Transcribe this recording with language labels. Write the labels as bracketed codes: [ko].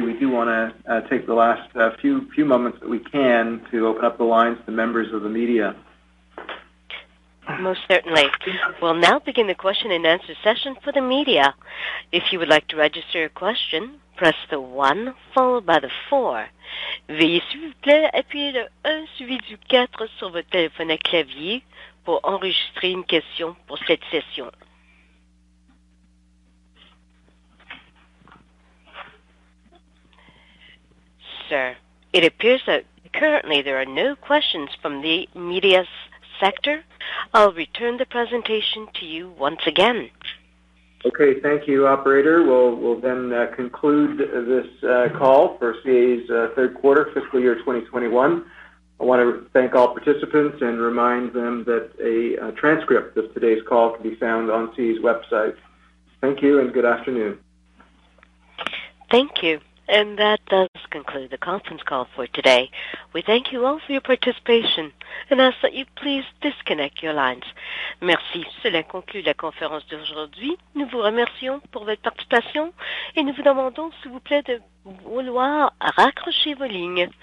[en] We do want to take the last few moments that we can to open up the lines to members of the media. Most certainly. We'll now begin the question and answer session for the media. If you would like to register a question, press the 1 followed by the 4. [fr] Veuillez s'il vous plaît appuyer le 1 suivi du 4 sur votre téléphone à clavier pour enregistrer une question pour cette session. [en] Sir, it appears that currently there are no questions from the media sector. I'll return the presentation to you once again. Okay, thank you, operator. We'll then conclude this call for CAE's third quarter, fiscal year 2021. I want to thank all participants and remind them that a transcript of today's call can be found on CAE's website. Thank you and good afternoon. Thank you. And that does conclude the conference call for today. We thank you all for your participation and ask that you please disconnect your lines. [fr] Merci. Cela conclut la conférence d'aujourd'hui. Nous vous remercions pour votre participation et nous vous demandons, s'il vous plaît, de vouloir raccrocher vos lignes.